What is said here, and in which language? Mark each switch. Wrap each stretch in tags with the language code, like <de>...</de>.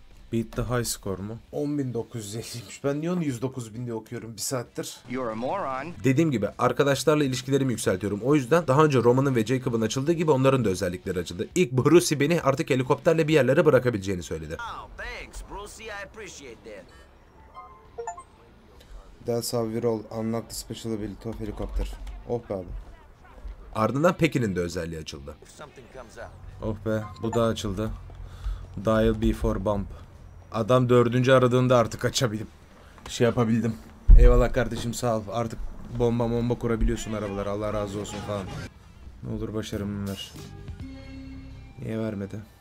<en>Beat the high score</en> <tr>mu? 10.950'ymiş. Ben niye onu 109.000 diye okuyorum bir saattir?</tr> <en>You're a moron.</en> <tr>Dediğim gibi arkadaşlarla ilişkilerimi yükseltiyorum. O yüzden daha önce Roman'ın ve Jacob'ın açıldığı gibi onların da özellikleri açıldı. İlk Brucey beni artık helikopterle bir yerlere bırakabileceğini söyledi.</tr> <en>Oh, thanks Brucey, I appreciate that. That's how we roll. Unlock the special ability of helicopter.</en> <tr>Oh be abi. Ardından Peki'nin de özelliği açıldı. Oh be, bu da açıldı. Dial before bump. Adam dördüncü aradığında artık açabildim. Şey yapabildim. Eyvallah kardeşim sağ ol. Artık bomba bomba kurabiliyorsun arabalara. Allah razı olsun falan. Ne olur başarımı ver. Niye vermedi?</tr>